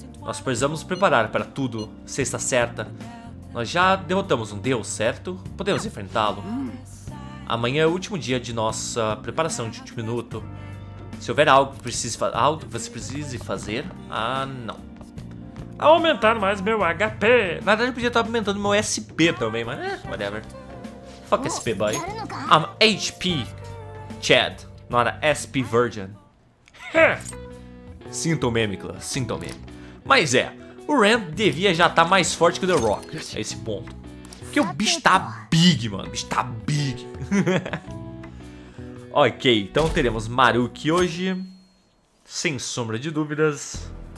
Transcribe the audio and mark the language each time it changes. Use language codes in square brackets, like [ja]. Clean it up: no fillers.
[pt] Nós precisamos preparar para tudo, você está certa. Nós já derrotamos um deus, certo? Podemos enfrentá-lo. Amanhã é o último dia de nossa preparação de último minuto. Se houver algo que você precise fazer, ah, não. Aumentar mais meu HP. Na verdade, eu podia estar aumentando meu SP também, mas whatever. [en] Fuck SP, boy. I'm HP Chad, not a SP Virgin. [pt] Sinto meme. Mas é, o Rand devia já estar mais forte que o The Rock a esse ponto. Porque o bicho tá big, mano. O bicho tá big. Ok, então teremos Maruki hoje. Sem sombra de dúvidas.